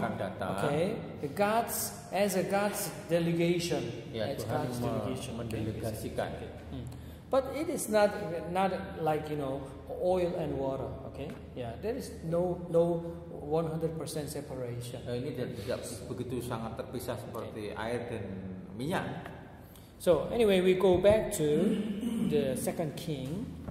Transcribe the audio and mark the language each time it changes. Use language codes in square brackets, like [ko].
[id] akan datang. [en] Okay. The God's, as a God's delegation. Yeah, as God's delegation. [id] Mendelegasikan. [en] Okay. But it is not, not like, you know, oil and water. Okay. Yeah. There is no, no 100% separation. [id] Ini tidak begitu sangat terpisah seperti air dan minyak. [en] So anyway, we go back to the second king.